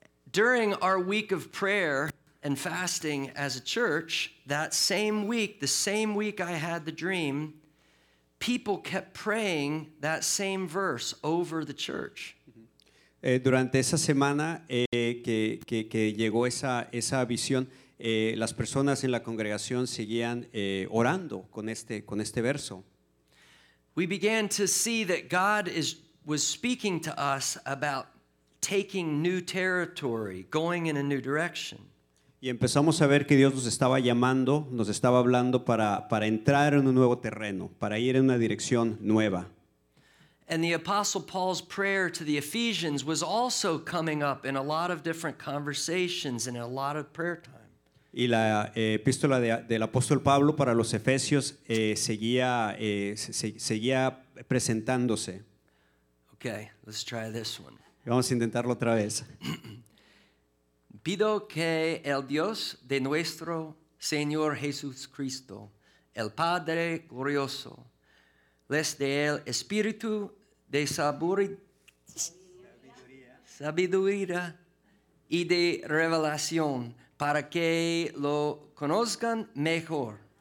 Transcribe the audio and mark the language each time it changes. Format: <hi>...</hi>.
<en>During our week of prayer and fasting as a church, that same week, the same week I had the dream, people kept praying that same verse over the church.</en> <es>Durante esa semana que llegó esa visión, las personas en la congregación seguían orando con este verso.</es> <en>We began to see that God was speaking to us about taking new territory, going in a new direction.</en> <es>Y empezamos a ver que Dios nos estaba llamando, nos estaba hablando para entrar en un nuevo terreno, para ir en una dirección nueva.</es> <en>And the Apostle Paul's prayer to the Ephesians was also coming up in a lot of different conversations and in a lot of prayer time.</en> <es>Y la epístola del apóstol Pablo para los Efesios seguía presentándose.</es> <en>Okay, let's try this one.</en> <es>Vamos a intentarlo otra vez. Pido que el Dios de nuestro Señor Jesucristo, el Padre glorioso, les dé el Espíritu de sabiduría y de revelación para que lo conozcan mejor.</es>